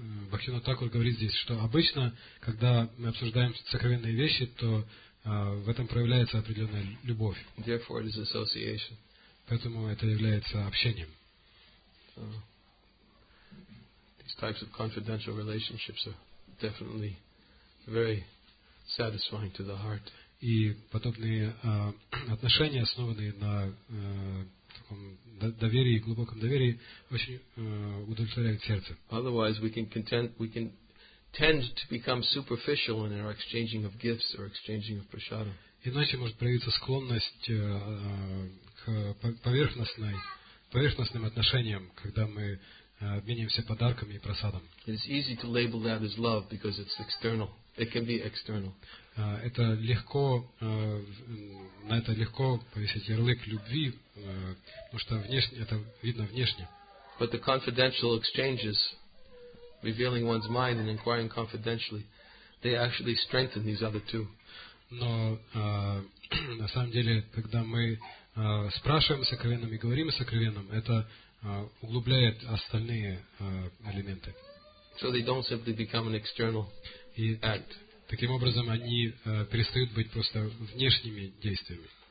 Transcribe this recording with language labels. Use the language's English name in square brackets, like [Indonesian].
[Russian] Бхактивинода Тхакур говорит здесь, что обычно, когда мы обсуждаем сокровенные вещи, то в этом проявляется определенная любовь. [English] Therefore it is association. [Russian] Поэтому это является общением. [English] These types of confidential relationships are definitely very satisfying to the heart. [Russian] И подобные отношения, основанные на таком доверии, глубоком доверии, очень удовлетворяют сердце. [English] Otherwise, we can tend to become superficial in our exchanging of gifts or exchanging of prasada. [Russian] Иначе может проявиться склонность к поверхностным отношениям, когда мы обмениваемся подарками и просадом. [English] It's easy to label that as love because it's external. It can be external. [Russian] Это легко, на это легко повесить ярлык любви, потому что внешне это видно внешне. [English] But the confidential exchanges, revealing one's mind and inquiring confidentially, they actually strengthen these other two. [Russian] Но на самом деле, когда мы спрашиваем сокровенным и говорим сокровенным, это углубляет остальные элементы. [English] So they don't simply become an external act. [Russian] Таким образом, они перестают быть просто внешними действиями.